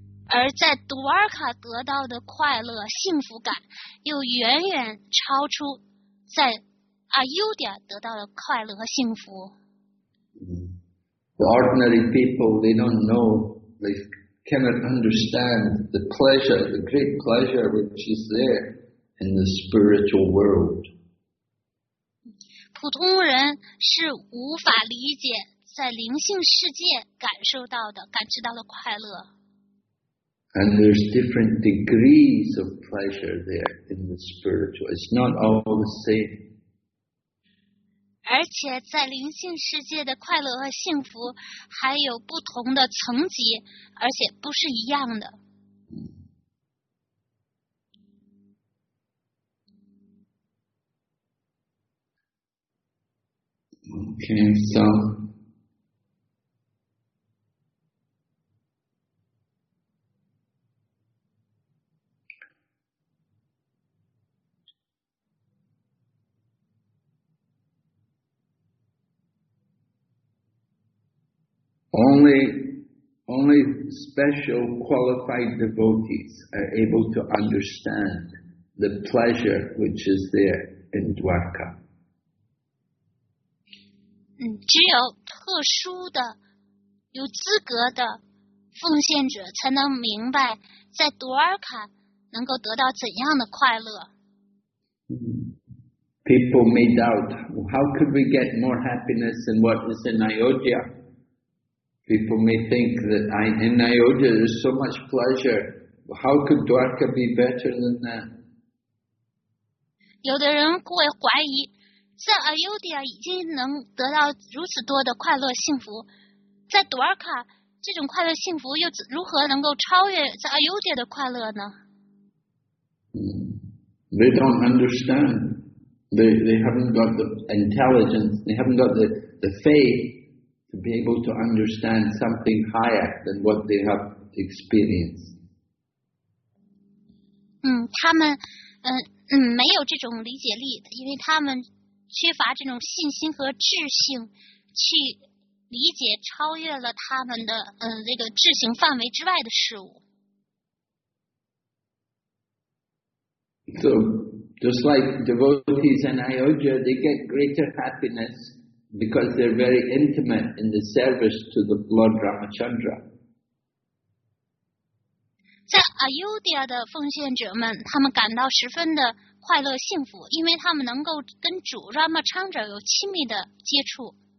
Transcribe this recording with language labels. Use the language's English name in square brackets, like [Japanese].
[Chinese] 而在 Dwarka 得到的快乐、幸福感，又远远超出在 Ayodhya 得到的快乐和幸福。 [English] The ordinary people, they don't know, they cannot understand the pleasure, the great pleasure which is there in the spiritual world. [Chinese] 普通人是无法理解在灵性世界感受到的、感知到的快乐。 [English] And there's different degrees of pleasure there in the spiritual. It's not all the same. [Chinese] 而且在灵性世界的快乐和幸福还有不同的层级，而且不是一样的。 [English] Okay, so only special qualified devotees are able to understand the pleasure which is there in Dwarka. [Chinese] 只有特殊的、有资格的奉献者才能明白在多尔卡能够得到怎样的快乐。 [English] People may doubt, how could we get more happiness than what is in Ayodhya? People may think that in Ayodhya there is so much pleasure, how could Dwarka be better than that? [Chinese] 有的人会怀疑在 Ayodhya 已经能得到如此多的快乐幸福，在 Dwarka 这种快乐幸福又如何能够超越在 Ayodhya 的快乐呢？ [English] They don't understand. They haven't got the intelligence. They haven't got the faith to be able to understand something higher than what they have experienced. [Chinese] 他们没有这种理解力，因为他们缺乏这种信心和智性去理解超越了他们的这个智性范围之外的事物。 [English] So just like devotees in Ayodhya, they get greater happiness because they're very intimate in the service to the Lord Ramachandra. [Chinese] 在 Ayodhya 的奉献者们，他们感到十分的快乐幸福，因为他们能够跟主 Ramachandra 有亲密的接触。